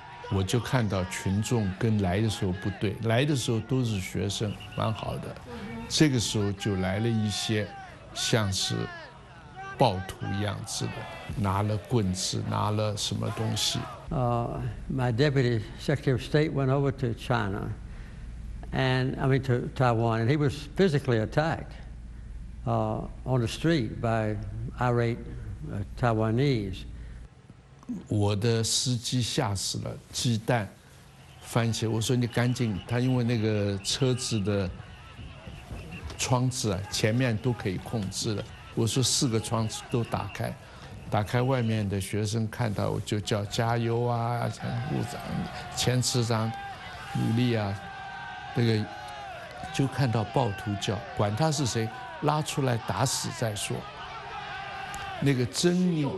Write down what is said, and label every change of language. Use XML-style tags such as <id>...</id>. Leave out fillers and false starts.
<zh>我就看到群众跟来的时候不对，来的时候都是学生，蛮好的。这个时候就来了一些像是暴徒样子的，拿了棍子，拿了什么东西。</zh> <en>My deputy secretary of state went over to China, and I mean to Taiwan, and he was physically attacked on the street by irate Taiwanese.</en> <zh>我的司机吓死了，鸡蛋番茄，我说你赶紧，他因为那个车子的窗子啊，前面都可以控制的，我说四个窗子都打开，打开外面的学生看到我就叫加油啊，前部长前次长努力啊，那个就看到暴徒叫，管他是谁，拉出来打死再说，那个真</zh>